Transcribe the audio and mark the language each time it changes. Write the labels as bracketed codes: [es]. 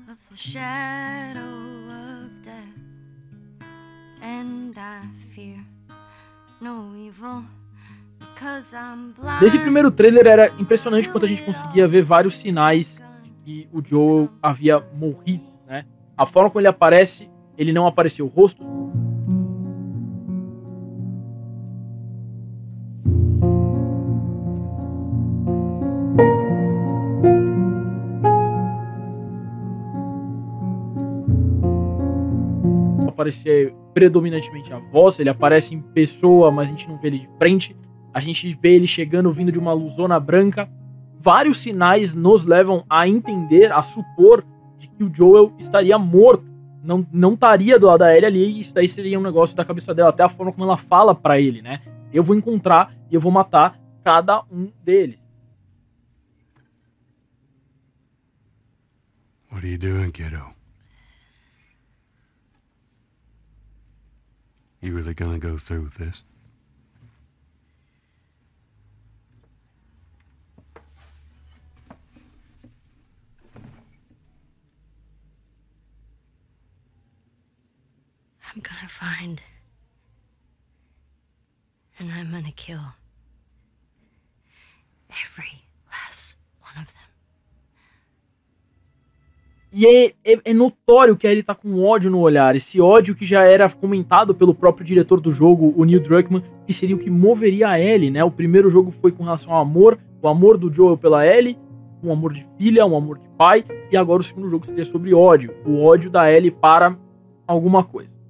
[en] The shadow of death, and I fear no evil, because I'm blind. [pt] Nesse primeiro trailer era impressionante quanto a gente conseguia ver vários sinais de que o Joel havia morrido, né? A forma como ele aparece, ele não apareceu o rosto. Aparecer predominantemente a voz, ele aparece em pessoa, mas a gente não vê ele de frente, a gente vê ele chegando vindo de uma luzona branca. Vários sinais nos levam a entender, a supor de que o Joel estaria morto, não estaria do lado da Ellie ali, e isso daí seria um negócio da cabeça dela, até a forma como ela fala pra ele, né? Eu vou encontrar e eu vou matar cada um deles. O que você está fazendo, kiddo? [en] You really gonna go through with this? I'm gonna find, and I'm gonna kill every last one of them. [pt] E é notório que ele tá com ódio no olhar, esse ódio que já era comentado pelo próprio diretor do jogo, o Neil Druckmann, que seria o que moveria a Ellie, né? O primeiro jogo foi com relação ao amor, o amor do Joel pela Ellie, um amor de filha, um amor de pai, e agora o segundo jogo seria sobre ódio, o ódio da Ellie para alguma coisa.